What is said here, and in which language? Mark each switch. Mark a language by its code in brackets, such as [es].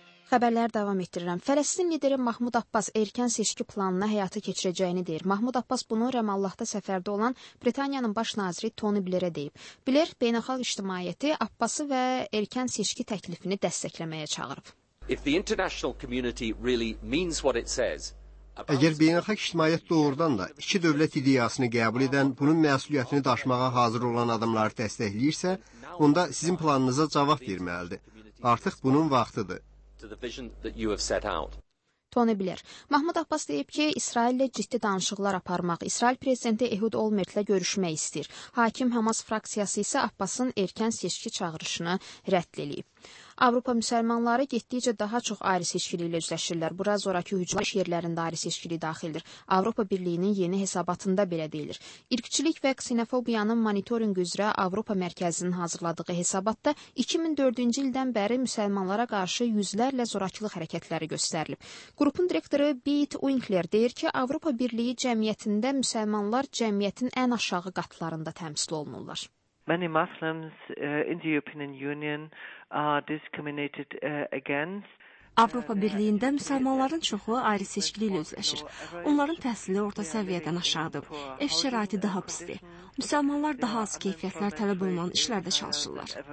[az] Xəbərlər davam etdirirəm. Fələstin lideri Mahmud Abbas erkən seçki planına həyata keçirəcəyini deyir. Mahmud Abbas bunu Ramallahda səfərdə olan Britaniyanın baş naziri Tony Blair'ə deyib. Blair beynəlxalq ictimaiyyəti Abbası və erkən seçki təklifini dəstəkləməyə çağırıb. [en] If the international community really means what it says, [az] əgər beynəlxalq ictimaiyyət doğrudan da iki dövlət ideyasını qəbul edən, bunun məsuliyyətini daşımağa hazır olan adamları dəstəkləyirsə, onda sizin planınıza cavab verməlidir. Artıq bunun vaxtıdır. [en] To the vision that you have set out. [az] Tony Blair. Mahmud Abbas deyib ki, İsraillə ciddi danışıqlar aparmaq, İsrail prezidenti Ehud Olmertlə görüşmək istəyir. Hakim Hamas fraksiyası isə Abbasın erkən seçki çağırışını rədd edib. Avropa müsəlmanları getdikcə daha çox ayrı seçkili ilə üzləşirlər. Bura zorakı hücumlar iş yerlərində ayrı seçkili daxildir. Avropa Birliyinin yeni hesabatında belə deyilir. İrqçilik və ksenofobiyanın monitoring üzrə Avropa Mərkəzinin hazırladığı hesabatda 2004-cü ildən bəri müsəlmanlara qarşı yüzlərlə zorakılıq hərəkətləri göstərilib. Qrupun direktoru Beat Winkler deyir ki, Avropa Birliyi cəmiyyətində müsəlmanlar cəmiyyətin ən aşağı qatlarında təmsil olunurlar. [en] Many Muslims in the European Union are discriminated against. [az] Avropa Birliyində müsəlmanların çoxu ayrı seçkili ilə üzləşir. Onların təhsili orta səviyyədən aşağıdır. Ev şəraiti daha pisdir. Müsəlmanlar daha az keyfiyyətlər tələb olunan işlərdə çalışırlar.